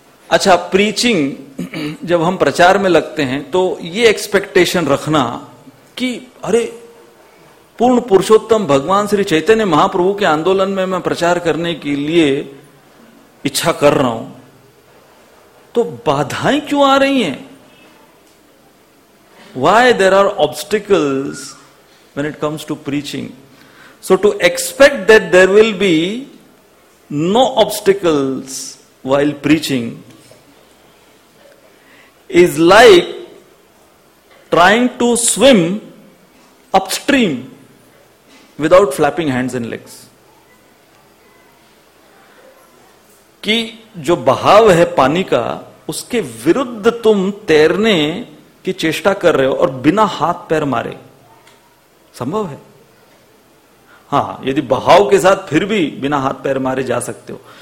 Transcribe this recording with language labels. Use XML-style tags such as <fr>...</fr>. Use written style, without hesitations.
<hi>अच्छा, प्रीचिंग जब हम प्रचार में लगते हैं तो ये एक्सपेक्टेशन रखना कि अरे पूर्ण पुरुषोत्तम भगवान श्री चैतन्य महाप्रभु के आंदोलन में मैं प्रचार करने के लिए इच्छा कर रहा हूं, तो बाधाएं क्यों आ रही हैं?</hi> <en>Why there are obstacles when it comes to preaching? So to expect that there will be no obstacles while preaching is like trying to swim upstream without flapping hands and legs.</en> <hi>कि जो बहाव है पानी का उसके विरुद्ध तुम तैरने की चेष्टा कर रहे हो और बिना हाथ पैर मारे, संभव है? हाँ, यदि बहाव के साथ फिर भी बिना हाथ पैर मारे जा सकते हो।</hi>